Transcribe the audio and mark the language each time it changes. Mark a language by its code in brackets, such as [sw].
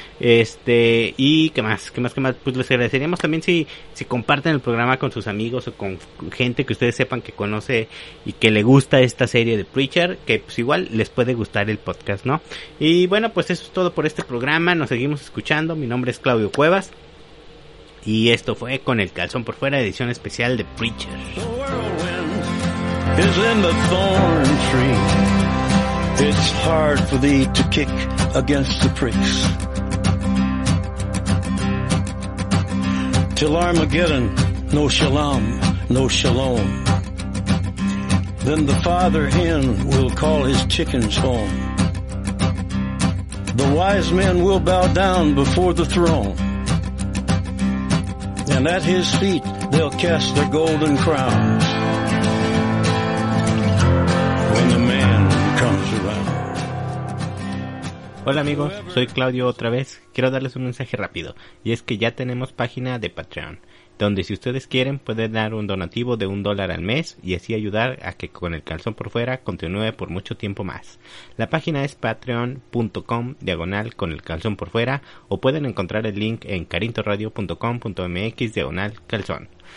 [es] Y qué más, pues les agradeceríamos también si comparten el programa con sus amigos o con gente que ustedes sepan que conoce y que le gusta esta serie de Preacher, que pues igual les puede gustar el podcast, ¿no? Y bueno, pues eso es todo por este programa, nos seguimos escuchando. Mi nombre es Claudio Cuevas, y esto fue Con el Calzón por Fuera, edición especial de Preacher. [en] The whirlwind is in the thorn tree. It's hard for thee to kick against the pricks. Till Armageddon, no shalom, no shalom. Then the father hen will call his chickens home. The wise men will bow down before the throne, and at his feet they'll cast their golden crowns. When the man comes around. [es] Hola amigos, soy Claudio otra vez. Quiero darles un mensaje rápido, y es que ya tenemos página de Patreon, donde si ustedes quieren pueden dar un donativo de $1 al mes y así ayudar a que Con el Calzón por Fuera continúe por mucho tiempo más. La página es patreon.com/conelcalzonporfuera o pueden encontrar el link en carintoradio.com.mx/calzón.